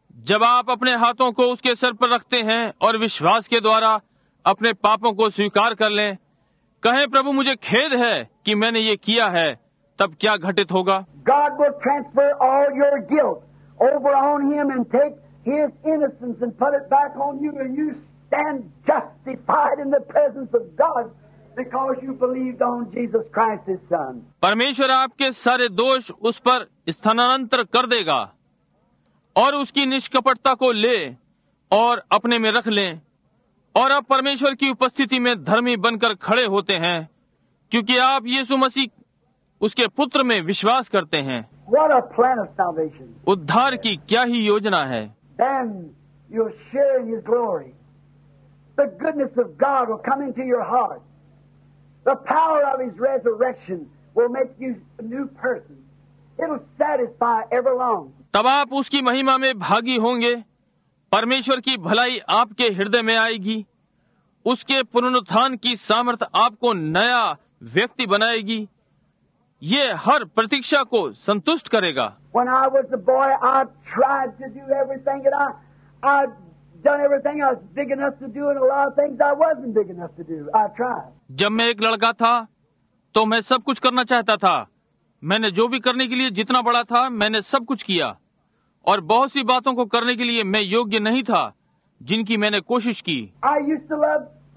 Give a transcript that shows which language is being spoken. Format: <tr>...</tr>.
<hi>जब आप अपने हाथों को उसके सर पर रखते हैं और विश्वास के द्वारा अपने पापों को स्वीकार कर लें, कहें प्रभु मुझे खेद है कि मैंने ये किया है, तब क्या घटित होगा.</hi> <en>God will transfer all your guilt over on him and take his innocence and put it back on you, and you stand justified in the presence of God. Because you believed on Jesus Christ, His Son.</en> <hi>परमेश्वर आपके सारे दोष उस पर स्थानांतर कर देगा और उसकी निष्कपटता को ले और अपने में रख लें और आप परमेश्वर की उपस्थिति में धर्मी बनकर खड़े होते हैं क्योंकि आप यीशु मसीह उसके पुत्र में विश्वास करते हैं.</hi> <en>What a plan of salvation.</en> <hi>उद्धार की क्या ही योजना है.</hi> <en>Then you'll share in His glory. The goodness of God will come into your heart. The power of His resurrection will make you a new person. It'll satisfy everlong.</en> <hi>तब आप उसकी महिमा में भागी होंगे. परमेश्वर की भलाई आपके हृदय में आएगी. उसके पुनरुत्थान की सामर्थ आपको नया व्यक्ति बनाएगी. ये हर प्रतीक्षा को संतुष्ट करेगा.</hi> <en>When I was a boy, I tried to do everything and I done everything I was big enough to do, and a lot of things I wasn't big enough to do. I tried.</en> <hi>जब मैं एक लड़का था तो मैं सब कुछ करना चाहता था. मैंने जो भी करने के लिए जितना बड़ा था मैंने सब कुछ किया और बहुत सी बातों को करने के लिए मैं योग्य नहीं था जिनकी मैंने कोशिश की.</hi>